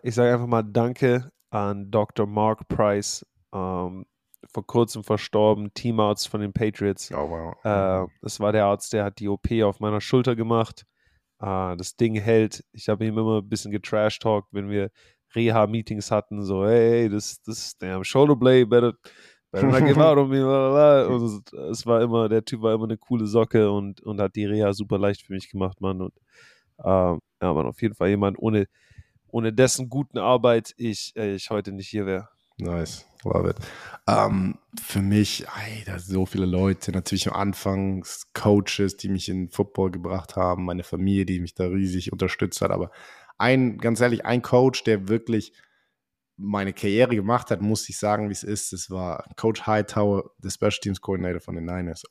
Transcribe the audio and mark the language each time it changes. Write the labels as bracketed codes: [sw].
[de] Ich sage einfach mal Danke an Dr. Mark Price, vor kurzem verstorben, Teamarzt von den Patriots. Oh, wow. Das war der Arzt, der hat die OP auf meiner Schulter gemacht. Das Ding hält. Ich habe ihm immer ein bisschen getrashtalkt, wenn wir Reha-Meetings hatten. [en] So, hey, das damn shoulder blade, better not give out on me. Blablabla. [de] Und es war immer, der Typ war immer eine coole Socke und hat die Reha super leicht für mich gemacht, Mann. Und ja, man, auf jeden Fall jemand ohne dessen guten Arbeit ich heute nicht hier wäre. [en] Nice, love it. [de] Für mich, da sind so viele Leute, natürlich am Anfang Coaches, die mich in Football gebracht haben, meine Familie, die mich da riesig unterstützt hat, aber ein Coach, der wirklich meine Karriere gemacht hat, muss ich sagen, wie es ist, das war Coach Hightower, der Special Teams Coordinator von den Niners.